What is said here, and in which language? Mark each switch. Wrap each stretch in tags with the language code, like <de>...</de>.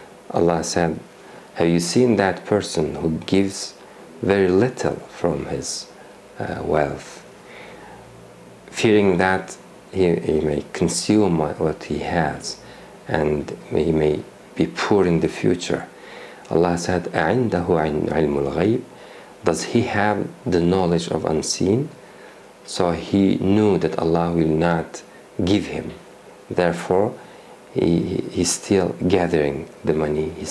<en>Allah said, have you seen that person who gives very little from his wealth, fearing that he may consume what he has and he may be poor in the future?</en> <ar>Allah said, أَعِنْدَهُ عِلْمُ الْغَيْبِ.</ar> <en>Does he have the knowledge of unseen? So he knew that Allah will not give him. Therefore, he's still gathering the money.</en>